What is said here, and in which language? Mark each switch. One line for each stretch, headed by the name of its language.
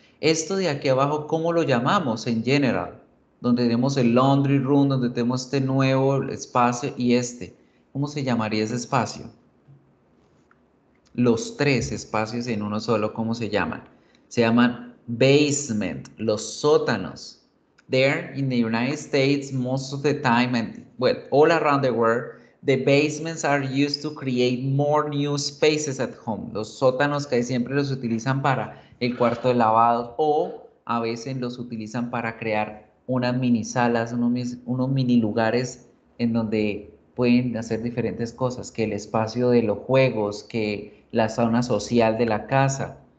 Spanish: Esto de aquí abajo, ¿cómo lo llamamos en general? Donde tenemos el laundry room, donde tenemos este nuevo espacio y este. ¿Cómo se llamaría ese espacio? Los tres espacios en uno solo, ¿cómo se llaman? Se llaman basement, los sótanos.
English: There in the United States, most of the time, and well, all around the world, the basements are used to create more new spaces at home.
Spanish: Los sótanos que siempre los utilizan para el cuarto de lavado o a veces los utilizan para crear unas mini salas, unos mini lugares en donde pueden hacer diferentes cosas, que el espacio de los juegos, que la zona social de la casa.